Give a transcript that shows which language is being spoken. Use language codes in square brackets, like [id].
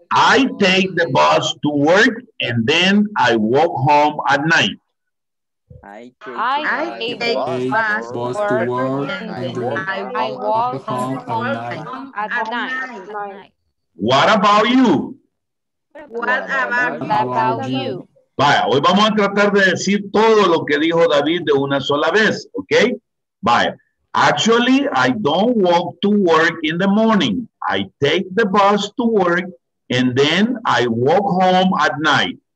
[en] I take the bus to work and then I walk home at night. I take the bus to work and then I walk home at night. What about you? What about you? [es] Vaya, hoy vamos a tratar de decir todo lo que dijo David de una sola vez, ¿ok? Vaya. [en] Actually, I don't walk to work in the morning. I take the bus to work and then I walk home at night.